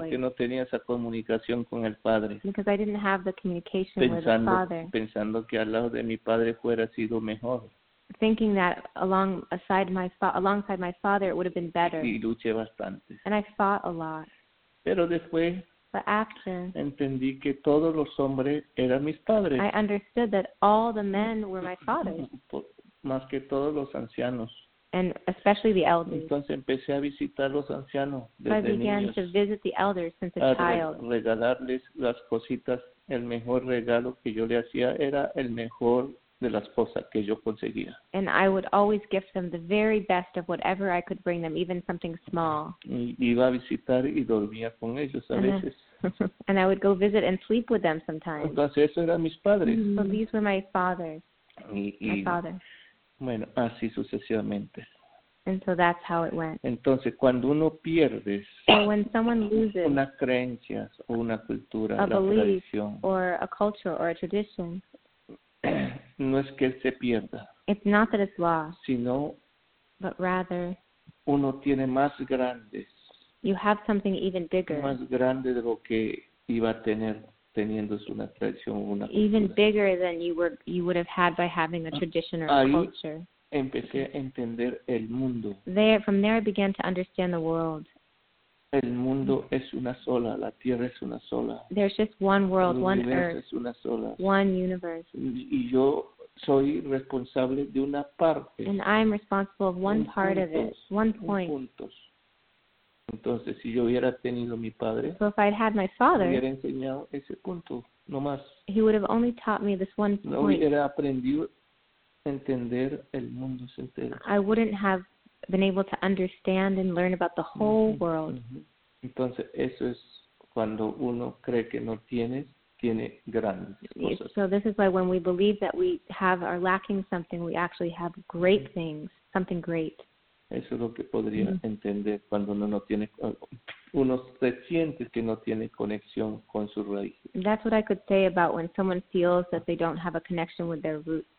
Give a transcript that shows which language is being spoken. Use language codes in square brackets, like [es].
[es] Porque no tenía esa comunicación con el padre. [en] Because I didn't have the communication [es] pensando, [en] with the father. [es] Pensando que al lado de mi padre fuera sido mejor. [en] Thinking that alongside my father it would have been better. [es] Y luché bastante. [en] And I fought a lot. [es] Pero después, [en] but after, [es] entendí que todos los hombres eran mis padres. [en] I understood that all the men were my fathers. [es] Más que todos los ancianos. [en] And especially the elders. [es] Entonces empecé a visitar los ancianos desde niños. [en] So I began [es] niños, [en] to visit the elders since a child. [es] Regalarles las cositas. El mejor regalo que yo le hacía era el mejor de las cosas que yo conseguía. [en] And I would always gift them the very best of whatever I could bring them, even something small. [es] Y iba a visitar y dormía con ellos a veces. [en] And I would go visit and sleep with them sometimes. [es] Entonces esos eran mis padres. [en] So these were my fathers. My father. [es] Bueno, así sucesivamente. [en] And so that's how it went. [es] Entonces, cuando uno pierde una creencia o una cultura, tradición, [en] or a culture or a tradition, [es] no es que se pierda. [en] It's not that it's lost. [es] Sino, [en] but rather, [es] uno tiene más grandes. [en] You have something even bigger. [es] Más grande de lo que iba a tener teniendo una tradición, una cultura. [en] Even bigger than you would have had by having a tradition or a culture. [es] Empecé a entender el mundo. [en] There, from there I began to understand the world. [es] El mundo es una sola, la tierra es una sola. [en] There's just one world, one earth. [es] Es una sola. [en] One universe. [es] Y yo soy responsable de una parte. [en] And I'm responsible of one part of it, one point. [es] Puntos. Entonces, si yo hubiera tenido mi padre, [en] so if I'd had my father, [es] me hubiera enseñado ese punto, no más. [en] He would have only taught me this one point. [es] No hubiera aprendido entender el mundo entero. [en] I wouldn't have been able to understand and learn about the whole world. [es] Entonces, eso es cuando uno cree que no tiene, tiene grandes cosas. [en] So this is why when we believe that we have are lacking something, we actually have great things, something great. [es] Eso es lo que podría entender cuando uno no tiene, uno se siente que no tiene conexión con su raíz. [en] That's what I could say about when someone feels that they don't have a connection with their root.